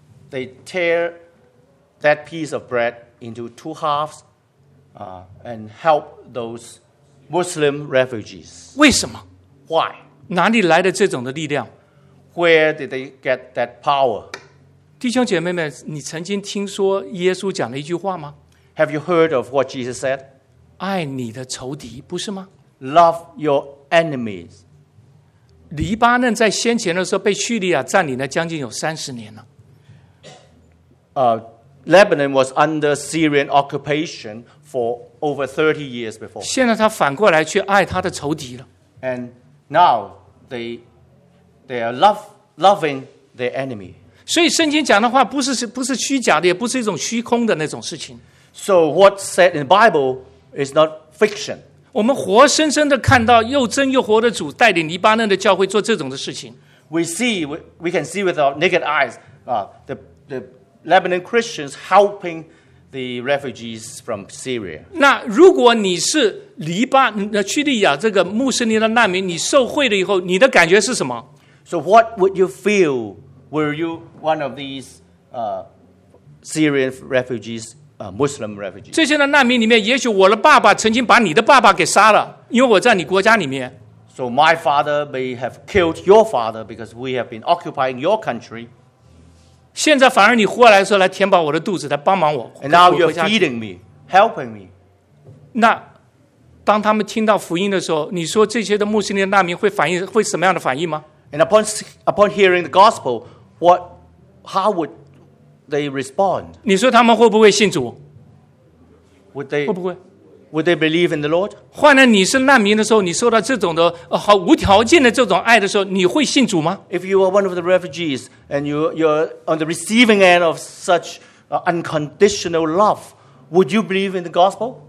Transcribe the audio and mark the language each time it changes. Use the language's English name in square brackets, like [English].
[English] They tear that piece of bread into two halves, and help those. Muslim refugees. [Chinese] 为什么？ [English] Why? [Chinese] 哪里来的这种的力量？ [English] Where did they get that power? [Chinese] 弟兄姐妹们，你曾经听说耶稣讲了一句话吗？ [English] Have you heard of what Jesus said? [Chinese] 爱你的仇敌，不是吗？ [English] Love your enemies. [Chinese] 黎巴嫩在先前的时候被叙利亚占领了将近有30年了。 [English] Lebanon was under Syrian occupation for over 30 years before. [Chinese] 现在他反过来去爱他的仇敌了。 [English] And now they are loving their enemy. [Chinese] 所以圣经讲的话不是虚假的，也不是一种虚空的那种事情。 [English] So what's said in the Bible is not fiction. [Chinese] 我们活生生的看到又真又活的主带领黎巴嫩的教会做这种的事情。 [English] We can see with our naked eyes, the Lebanon Christians helping the refugees from Syria. [Chinese] 那如果你是黎巴那叙利亚这个穆斯林的难民，你受惠了以后，你的感觉是什么？ [English] So what would you feel were you one of these Syrian refugees, Muslim refugees? [Chinese] 这些的难民里面，也许我的爸爸曾经把你的爸爸给杀了，因为我在你国家里面。 [English] So my father may have killed your father because we have been occupying your country. [Chinese] 现在反而你活来说来填饱我的肚子，来帮忙我。 [English] And now you're feeding me, helping me. [Chinese] 那当他们听到福音的时候，你说这些的穆斯林难民会反应会什么样的反应吗 [English] ？And upon hearing the gospel, how would they respond? [Chinese] 你说他们会不会信主 [English] ？Would they? [Chinese] 会不会 [English] Would they believe in the Lord? [Chinese] 换了你是难民的时候，你受到这种的好无条件的这种爱的时候，你会信主吗 [English] ？If you are one of the refugees and you're on the receiving end of such unconditional love, would you believe in the gospel?